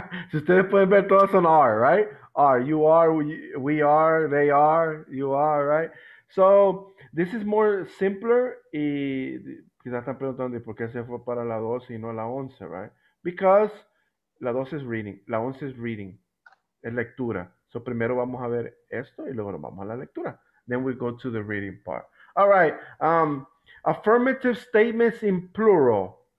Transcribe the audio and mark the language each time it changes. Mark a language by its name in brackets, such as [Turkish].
[Spanish] Si ustedes pueden ver, todos son R, right? [English] R, you are, we are, they are, you are, right? So, this is more simpler. [Spanish] Y quizás están preguntando, ¿por qué se fue para la 12 y no la 11, right? Because la 12 es reading, la 11 es reading, es lectura. So, primero vamos a ver esto y luego nos vamos a la lectura. [English] Then we go to the reading part. All right, affirmative statements in plural.